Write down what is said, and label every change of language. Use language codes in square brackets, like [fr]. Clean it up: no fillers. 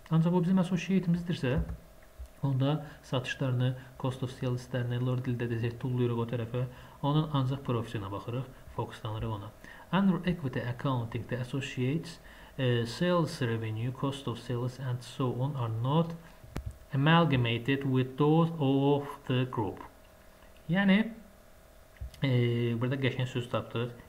[az] Ancaq o bizim associate-imizdirsə, onda satışlarını, cost of sales-lərini, lor dildə desək, tulluyuruq o tərəfə, onun ancaq profesinə baxırıq, fokuslanırıq ona. [en] Under equity accounting, the associates, sales revenue, cost of sales and so on are not amalgamated with those of the group. [az] Yəni, burada qəşəng söz tapdıq.